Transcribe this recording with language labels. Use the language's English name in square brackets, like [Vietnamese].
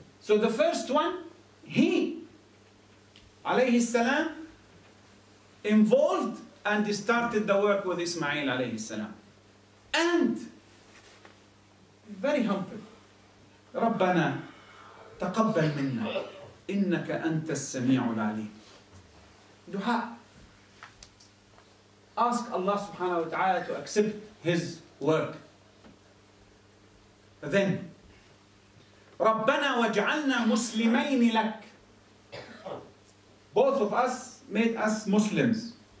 [English] So the first one, he [Arabic] عليه السلام [English] involved and started the work with Ismail عليه السلام. And very humble. [Arabic] ربنا تقبل منا إنك أنت السميع العليم. دعاء. [English] Ask Allah [Arabic] subhanahu wa ta'ala [English] to accept his work. Then [Arabic] ربنا واجعلنا مسلمين لك. [English] Both of us made us Muslims.